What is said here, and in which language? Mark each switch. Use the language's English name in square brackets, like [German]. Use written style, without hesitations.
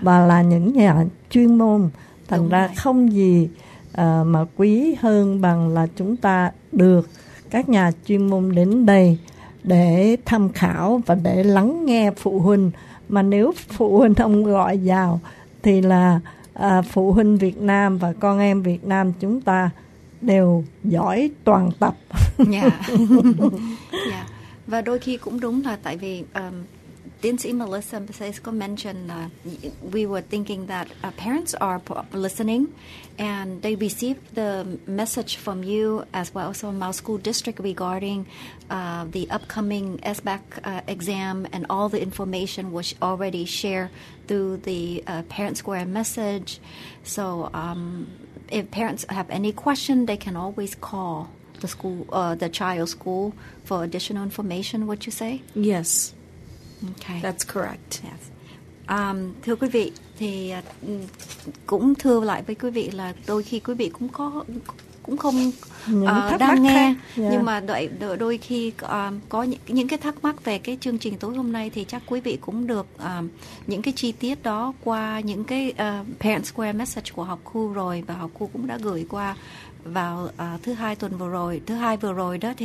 [Vietnamese] Và là những nhà chuyên môn. Thành ra không gì mà quý hơn bằng là chúng ta được các nhà chuyên môn đến đây để tham khảo và để lắng nghe phụ huynh. Mà nếu phụ huynh không gọi vào thì là phụ huynh Việt Nam và con em Việt Nam chúng ta đều giỏi toàn tập. Dạ. Yeah. Và đôi khi cũng đúng là tại vì tiến sĩ [English] Melissa Basesco mentioned that we were thinking that parents are listening and they receive the message from you as well as from our school district regarding the upcoming SBAC exam and all the information was already shared through the Parent Square message. So if parents have any question, they can always call the school, the child school, for additional information, would you say? Yes. Okay. That's correct. Yes. [Vietnamese] Thưa quý vị, thì cũng thưa lại với quý vị là đôi khi quý vị cũng có cũng không đang nghe, nhưng mà đôi khi có những cái thắc mắc về cái chương trình tối hôm nay thì chắc quý vị cũng được những cái chi tiết đó qua những cái Parent Square message của học khu rồi, và học khu cũng đã gửi qua vào thứ hai vừa rồi đó.